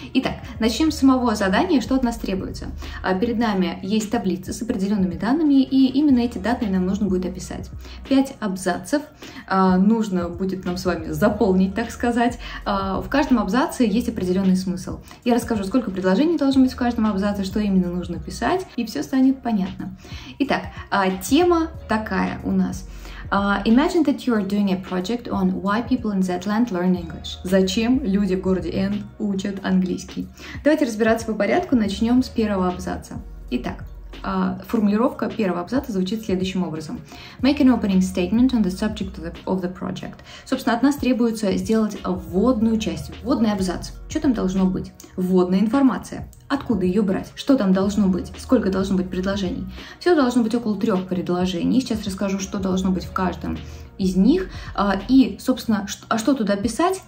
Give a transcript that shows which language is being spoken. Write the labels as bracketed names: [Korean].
[Russian] Итак, начнем с самого задания, что от нас требуется. Перед нами есть таблица с определенными данными, и именно эти данные нам нужно будет описать. 5 абзацев нужно будет нам с вами заполнить, так сказать. В каждом абзаце есть определенный смысл. Я расскажу, сколько предложений должно быть в каждом абзаце, что именно нужно писать, и все станет понятно. Итак, тема такая у нас. [English] Imagine that you are doing a project on why people in Zetland learn English. [Russian] Зачем люди в городе N учат английский? Давайте разбираться по порядку, начнем с первого абзаца. Итак. Формулировка первого абзаца звучит следующим образом. [English] Make an opening statement on the subject of the project. [Russian] Собственно, от нас требуется сделать вводную часть, вводный абзац. Что там должно быть? Вводная информация. Откуда ее брать? Что там должно быть? Сколько должно быть предложений? Все должно быть около 3 предложений. Сейчас расскажу, что должно быть в каждом из них. И, собственно, что туда писать?